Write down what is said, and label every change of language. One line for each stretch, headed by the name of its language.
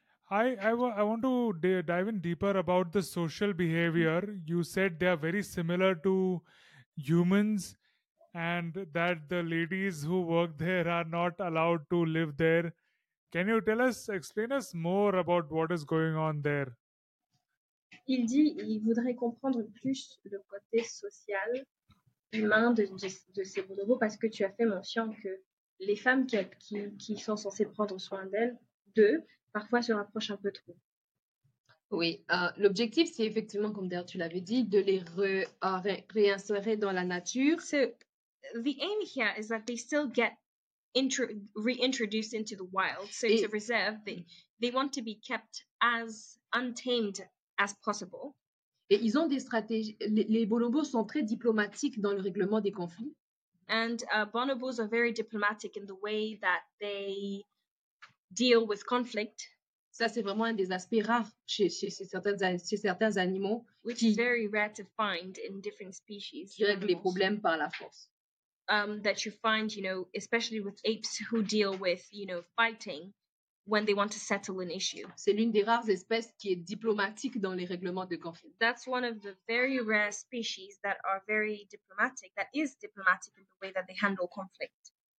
English: I want to dive in deeper about the social behavior. You said they are very similar to humans and that the ladies who work there are not allowed to live there. Can you tell us, explain us more about what is going on there?
French: Il dit il voudrait comprendre plus le côté social humain de ces bonobos parce que tu as fait mention que les femmes qui sont censées prendre soin d'eux parfois se rapprochent un peu trop. Oui, l'objectif c'est effectivement, comme d'ailleurs tu l'avais dit, de les réinsérer dans la nature.
English: So, the aim here is that they still get reintroduced into the wild, so it's a reserve. They want to be kept as untamed as possible.
French: Et ils ont des stratégies. Les bonobos sont très diplomatiques dans le règlement des conflits.
English: And bonobos are very diplomatic in the way that they deal with conflict.
French: Ça, c'est vraiment un des aspects rares chez certains animaux.
English: Which is very rare to find in different species.
French: Qui règlent les problèmes par la force.
English: That you find, you know, especially with apes who deal with, you know, fighting when they want to settle an issue.
French: C'est l'une des rares espèces qui est diplomatique dans les règlements de conflit.
English: That's one of the very rare species that are very diplomatic, that is diplomatic in the way that they handle conflict.